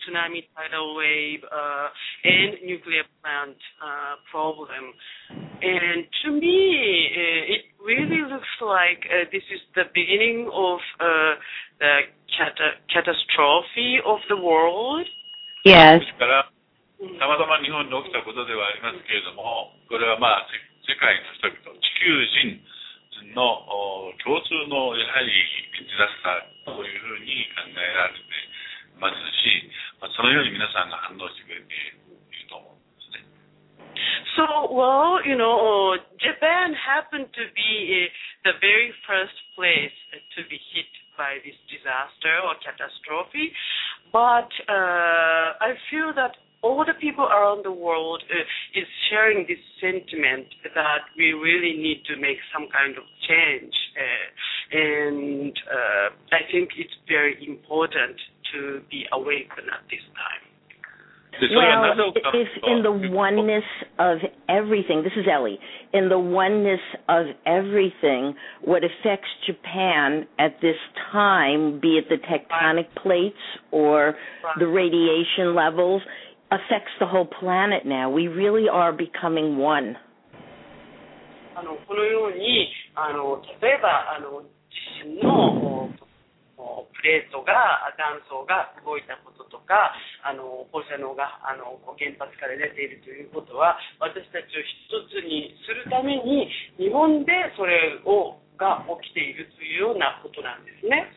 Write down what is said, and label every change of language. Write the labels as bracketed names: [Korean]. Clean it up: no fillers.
[English] tsunami, tidal wave, and nuclear plant problem. And to me, it really looks like this is the beginning of the catastrophe of the world. Yes. [Japanese] たまたま日本で起きたことではありますけれども、これはまあ世界の人々、地球人の共通のやはりディザスターというふうに考えられてますし、そのように皆さんが反応してくれていると思うんですね。 [English] So, well, you know, Japan happened to be the very first place to be hit by this disaster or catastrophe, but I feel that all the people around the world is sharing this sentiment that we really need to make some kind of change. I think it's very important to be awakened at this time. Well, if in the oneness of everything, this is Ellie, in the oneness of everything, what affects Japan at this time, be it the tectonic plates or the radiation levels, affects the whole planet now. We really are becoming one. [Japanese] このように、例えば、地震のプレートが、断層が動いたこととか、放射能が、原発から出ているということは、私たちを一つにするために、日本でそれをが起きているというようなことなんですね。